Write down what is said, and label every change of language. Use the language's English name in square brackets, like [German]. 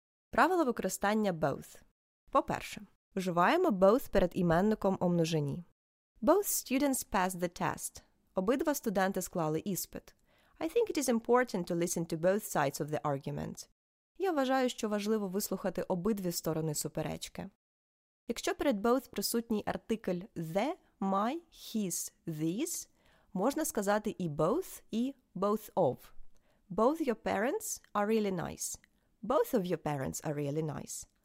[Ukrainian] Правила використання both. По-перше, вживаємо both перед іменником у множині. [English] Both students passed the test. [Ukrainian] Обидва студенти склали іспит. [English] I think it is important to listen to both sides of the argument. [Ukrainian] Я вважаю, що важливо вислухати обидві сторони суперечки. Якщо перед both присутній артикль the, my, his, these, можна сказати і both of. [English] Both your parents are really nice. Both of your parents are really nice.